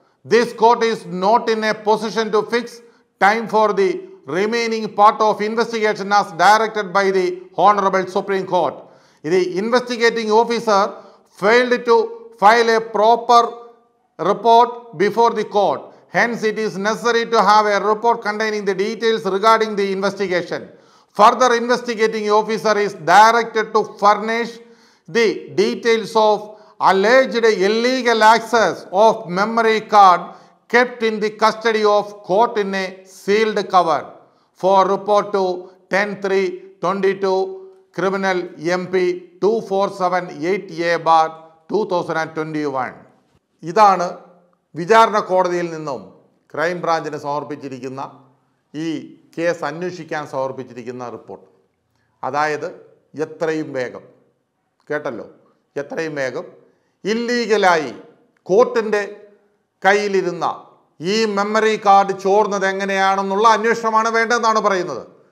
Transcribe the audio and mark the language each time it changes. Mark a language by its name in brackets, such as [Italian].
[English] This court is not in a position to fix time for the remaining part of investigation as directed by the honourable Supreme Court. The investigating officer failed to file a proper report before the court. Hence, it is necessary to have a report containing the details regarding the investigation. Further investigating officer is directed to furnish the details of alleged illegal access of memory card kept in the custody of court in a sealed cover for report to 10/3/22 criminal MP 2478A/2021. [Malayalam] ഇതാണ് വിചാരണ കോടതിയിൽ നിന്നും ക്രൈംബ്രാഞ്ചിന് സമർപ്പിച്ചിരിക്കുന്ന ഈ case അന്വേഷിക്കാൻ സമർപ്പിച്ചിരിക്കുന്ന report. അതായത് എത്രയും വേഗം, കേട്ടല്ലോ, എത്രയും വേഗം ഇല്ലീഗലായി കോർട്ടിൻ്റെ കയ്യിലിരുന്ന ഈ മെമ്മറി കാർഡ് ചോർന്നത് എങ്ങനെയാണെന്നുള്ള അന്വേഷണമാണ് വേണ്ടതെന്നാണ് പറയുന്നത്.